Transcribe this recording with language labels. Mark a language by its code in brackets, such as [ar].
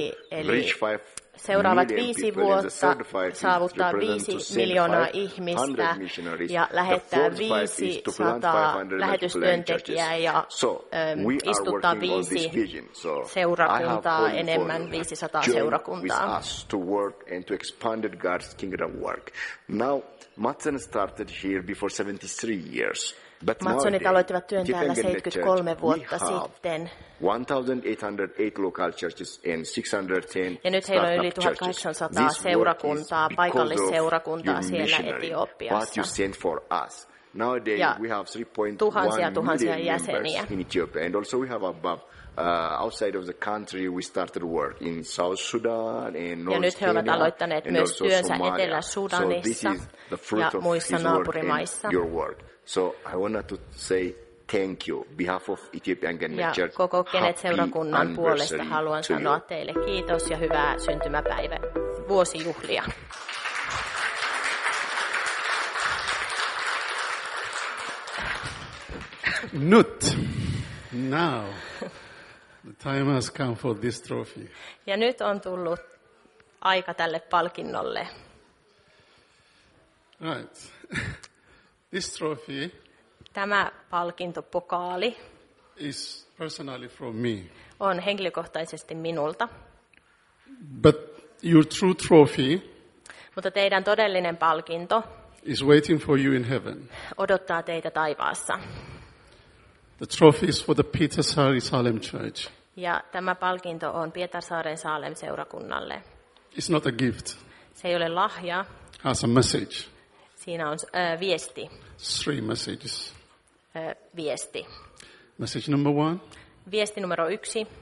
[fi] Eli seuraavat viisi vuotta saavuttaa 5 miljoonaa ihmistä ja lähettää 500 lähetystyöntekijää ja istuttaa 5 seurakuntaa, enemmän 500 seurakuntaa. [en] Join with us to work and to expand God's kingdom work. Now, Mattson started here before 73 years. [fi] Mattsonit aloittivat työn täällä 73 vuotta sitten. [en] 1808 local churches and 610 [fi] ja nyt heillä on yli 1800 seurakuntaa, paikallisseurakuntaa siellä Etiopiassa. [en] Nowadays we have 3.1 million jäseniä. In Ethiopia and also we have above outside of the country we started work in South Sudan and North Kenya. [fi] Ja nyt he ovat aloittaneet myös työnsä Etelä-Sudanissa ja muissa naapurimaissa. [en] So I wanted to say thank you behalf of Ethiopian Genet Church. [fi] Ja koko Genet-seurakunnan puolesta haluan sanoa teille kiitos ja hyvää syntymäpäivän vuosijuhlia. [en] Nyt. Now. The time has come for this trophy. [fi] Ja nyt on tullut aika tälle palkinnolle. [en] Right. This trophy. [fi] Tämä palkintopokaali [en] is personally from me. [fi] On henkilökohtaisesti minulta. [en] But your true trophy. [fi] Mutta teidän todellinen palkinto [en] is waiting for you in heaven. [fi] Odottaa teitä taivaassa. [en] The trophy is for the Pietarsaari Salem Church. [fi] Ja tämä palkinto on Pietarsaaren Saalem-seurakunnalle. [en] It's not a gift. [fi] Se ei ole lahja. [en] It's a message. [fi] Siinä on viesti. [en] Three messages. [fi] Viesti. [en] Message number one. [fi] Viesti numero yksi.